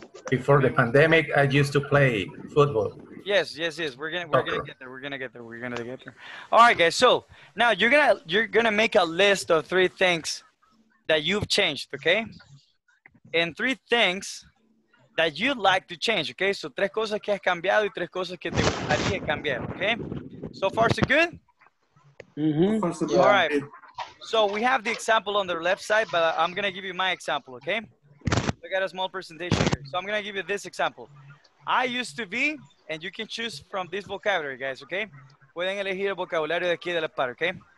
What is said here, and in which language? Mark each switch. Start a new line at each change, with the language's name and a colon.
English: before the pandemic, I used to play football. Yes, yes, yes. We're gonna get there. All right, guys. So now you're gonna make a list of three things that you've changed, okay? And three things that you'd like to change, okay?
Spanish: So tres cosas que has cambiado y tres cosas que te gustaría cambiar, okay?
English: So far, so good. Mm-hmm. All right. So we have the example on the left side, but I'm gonna give you my example, okay? I got a small presentation here, so I'm gonna give you this example. I used to be. And you can choose from this vocabulary, guys, okay?
Spanish: Pueden elegir el vocabulario de aquí de la par, okay?